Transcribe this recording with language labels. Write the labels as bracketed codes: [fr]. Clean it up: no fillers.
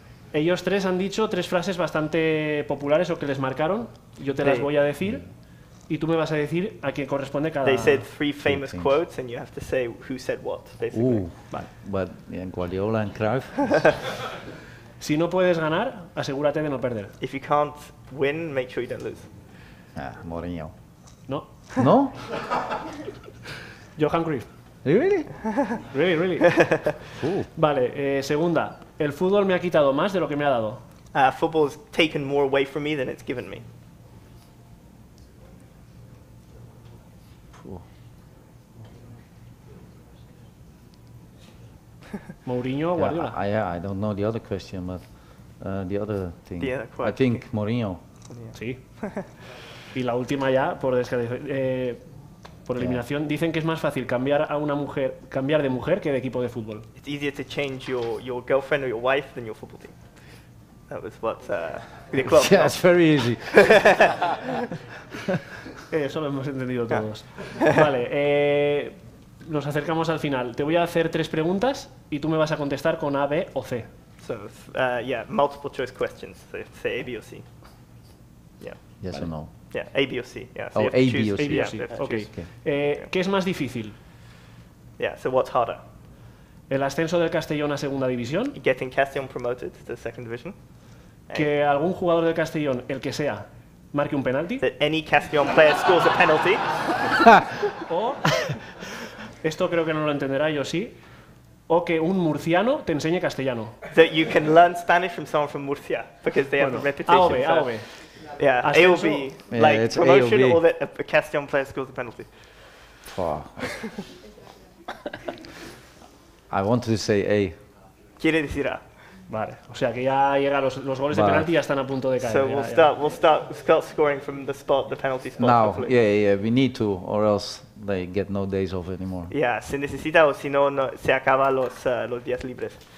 [es] Ellos tres han dicho tres frases bastante populares o que les marcaron. Yo te las voy a decir y tú me vas a decir a qué corresponde cada. [en] They said three famous three quotes and you have to say who said what, basically. Vale. But yeah, Guardiola and Cruyff. [es] Si no puedes ganar, asegúrate de no perder. [en] If you can't win, make sure you don't lose. Mourinho. No. No? Johan Cruyff. Really? Really, really. [es] Vale, segunda. El fútbol me ha quitado más de lo que me ha dado. [en] Football has taken more away from me than it's given me. [es] Mourinho o Guardiola? [en] Yeah, I don't know the other question, but the other thing. The other question. I think Mourinho. Yeah. [es] Sí. Y la última ya, por eliminación, yeah. Dicen que es más fácil cambiar a una mujer, cambiar de mujer que de equipo de fútbol. [en] It's easier to change your girlfriend or your wife than your football team. That was what the club. Yeah, it's very easy. [es] Eso lo hemos entendido todos. Vale, nos acercamos al final. Te voy a hacer tres preguntas y tú me vas a contestar con A, B o C. [en] So, yeah, multiple choice questions. So, say A, B o C. Yeah. Yes, vale. Or no. Yeah, A, B, or C. Yeah, so oh, A, B, or C. A, B, or C. Okay. [es] ¿Qué es más difícil? [en] Yeah, so what's harder? [es] El ascenso del Castellón a segunda división. [en] Getting Castellón promoted to the second division. [es] Que algún jugador del Castellón, el que sea, marque un penalti. [en] That any Castellón player scores a penalty. [es] O, esto creo que no lo entenderá, yo sí, o que un murciano te enseñe castellano. [en] That you can learn Spanish from someone from Murcia, because they have a reputation. AOB, so. AOB. Yeah, AOB, like promotion, AOB. Or that a Castellón player scores a penalty. I want to say A. [es] Quiere decir A. Vale, o sea que ya llega los goles de penalti ya están a punto de caer. [en] So we'll start scoring from the spot, the penalty spot. Now, yeah, we need to, or else they get no days off anymore. [es] Yeah, se necesita o si no se acaba los días libres.